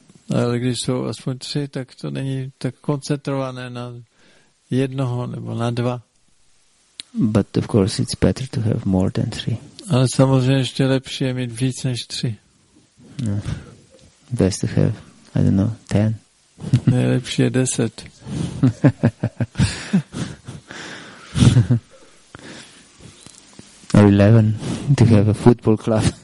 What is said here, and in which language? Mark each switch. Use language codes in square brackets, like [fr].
[cs] Ale když jsou aspoň tři, tak to není tak koncentrované na jednoho nebo na dva. [en] But of course it's better to have more than three. [cs] Ale samozřejmě ještě lepší je mít víc než tři. [en] No. Best to have, I don't know, 10. [cs] Nejlepší je 10. [en] Or 11 to have a football club.